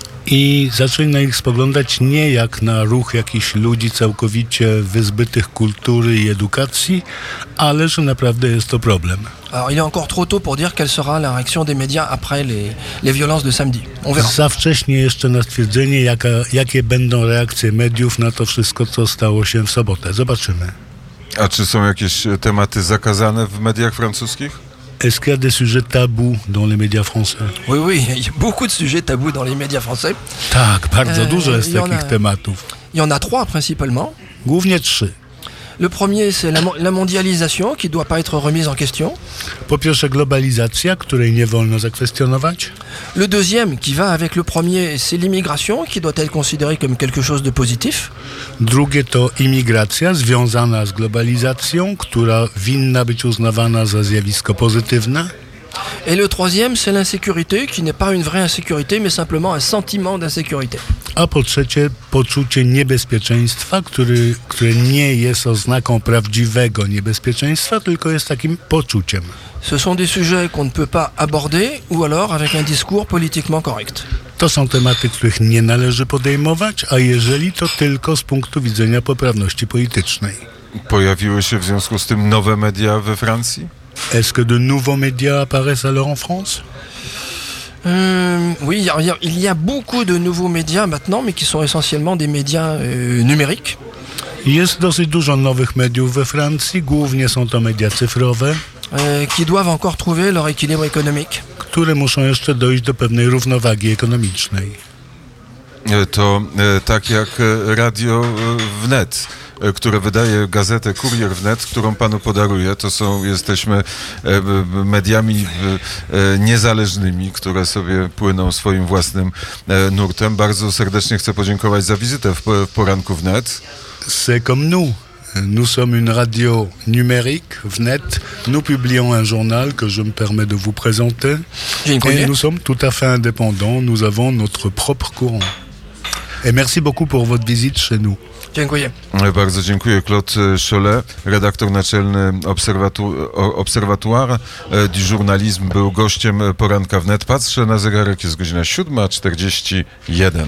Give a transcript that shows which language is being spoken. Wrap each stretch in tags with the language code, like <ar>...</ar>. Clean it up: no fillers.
<pl>I zaczęli na ich spoglądać nie jak na ruch jakichś ludzi całkowicie wyzbytych kultury i edukacji, ale że naprawdę jest to problem.</pl> <fr>Alors, il est encore trop tôt pour dire quelle sera la réaction des médias après les violences de samedi. On verra.</fr> <pl>Za wcześnie jeszcze na stwierdzenie, jakie będą reakcje mediów na to wszystko, co stało się w sobotę. Zobaczymy. A czy są jakieś tematy zakazane w mediach francuskich?</pl> <fr>Est-ce qu'il y a des sujets tabous dans les médias français? Oui, oui, il y a beaucoup de sujets tabous dans les médias français.</fr> <pl>Tak, bardzo dużo jest takich tematów.</pl> <fr>Il y en a trois principalement.</fr> <pl>Głównie trzy.</pl> <fr>Le premier, c'est la mondialisation qui ne doit pas être remise en question.</fr> <pl>Po pierwsze, globalizacja, której nie wolno zakwestionować.</pl> <fr>Le deuxième, qui va avec le premier, c'est l'immigration qui doit être considérée comme quelque chose de positif.</fr> <pl>Drugie to imigracja związana z globalizacją, która winna być uznawana za zjawisko pozytywne.</pl> <fr>Et le troisième, c'est l'insécurité, qui n'est pas une vraie insécurité, mais simplement un sentiment d'insécurité.</fr> <pl>A po trzecie, poczucie niebezpieczeństwa, które nie jest oznaką prawdziwego niebezpieczeństwa, tylko jest takim poczuciem.</pl> <fr>Ce sont des sujets qu'on ne peut pas aborder, ou alors avec un discours politiquement correct.</fr> <pl>To są tematy, których nie należy podejmować, a jeżeli to tylko z punktu widzenia poprawności politycznej. Pojawiły się w związku z tym nowe media we Francji?</pl> <fr>Est-ce que de nouveaux médias apparaissent alors en France? Oui, il y a beaucoup de nouveaux médias maintenant, mais qui sont essentiellement des médias numériques.</fr> <pl>Jest dosyć dużo nowych mediów we Francji, głównie są to media cyfrowe.</pl> <fr>Qui doivent encore trouver leur équilibre économique.</fr> <pl>Które muszą jeszcze dojść do pewnej równowagi ekonomicznej. To tak jak Radio Wnet, które wydaje gazetę Kurier Wnet, którą panu podaruję. Jesteśmy mediami niezależnymi, które sobie płyną swoim własnym nurtem. Bardzo serdecznie chcę podziękować za wizytę w poranku Wnet.</pl> <fr>C'est comme nous. Nous sommes une radio numérique, Wnet. Nous publions un journal que je me permets de vous présenter. Et nous sommes tout à fait indépendants. Nous avons notre propre courant. Et merci beaucoup pour votre visite chez nous.</fr> <pl>Dziękuję. Bardzo dziękuję. Claude Chollet, redaktor naczelny Obserwatoire du Journalisme, był gościem poranka Wnet. Patrzę na zegarek, jest godzina 7:41.</pl>